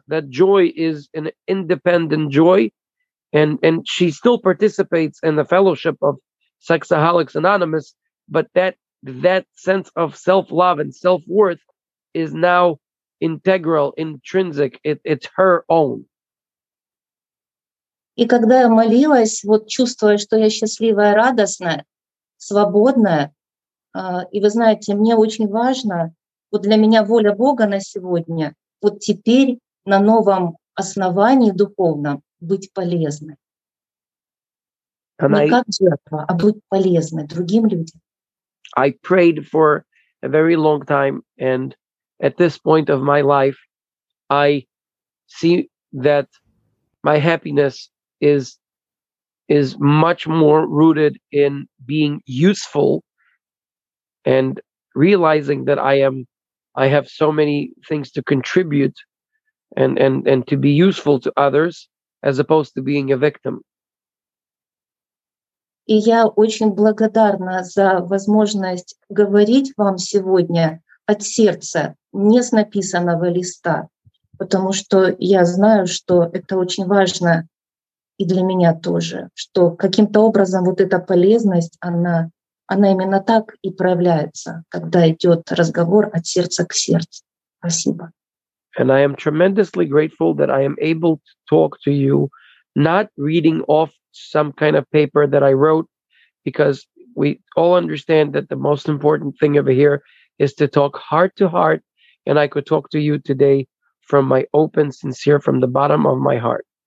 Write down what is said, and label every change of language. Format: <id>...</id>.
<en>That joy is an independent joy, and she still participates in the fellowship of Sexaholics Anonymous, but that sense of self-love and self-worth is now integral, intrinsic. It's her own.</en> <ru>И когда я молилась, вот чувствуя, что я счастливая, радостная, свободная, и вы знаете, мне очень важно, вот для меня воля Бога на сегодня, вот теперь на новом основании духовном быть полезной. And не I, как жертва, а быть полезной другим людям.</ru> <en>I prayed for a very long time, and at this point of my life, I see that my happiness is much more rooted in being useful and realizing that I have so many things to contribute and to be useful to others as opposed to being a victim.</en> <ru>И я очень благодарна за возможность говорить вам сегодня от сердца, не с написанного листа, потому что я знаю, что это очень важно. И для меня тоже, что каким-то образом вот эта полезность, она именно так и проявляется, когда идет разговор от сердца к сердцу. Спасибо.</ru> <en>And I am tremendously grateful that I am able to talk to you, not reading off some kind of paper that I wrote, because we all understand that the most important thing over here is to talk heart to heart, and I could talk to you today from my open, sincere, from the bottom of my heart.</en>